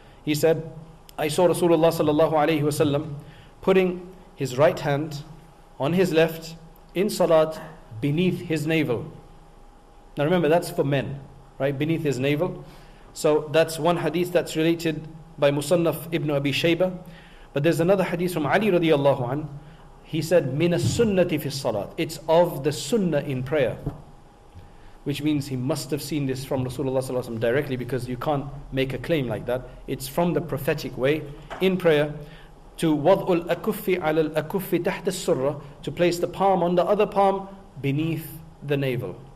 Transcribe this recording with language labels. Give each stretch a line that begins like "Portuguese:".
English: He said, I saw Rasulullah sallallahu alayhi wa sallam putting his right hand on his left in salat beneath his navel. Now remember, that's for men, right? Beneath his navel. So that's one hadith that's related by Musannaf ibn Abi Shayba. But there's another hadith from Ali radiallahu an. He said,
Arabic: مِنَ السُنَّةِ فِي الصَّلَاةِ.
English: It's of the sunnah in prayer. Which means he must have seen this from Rasulullah sallallahu alayhi wa sallam directly, because you can't make a claim like that. It's from the prophetic way in prayer. To
Arabic: وَضْءُ الْأَكُفِّ عَلَى الْأَكُفِّ تَحْتَ السُّرَّةِ.
English: To place the palm on the other palm beneath the navel.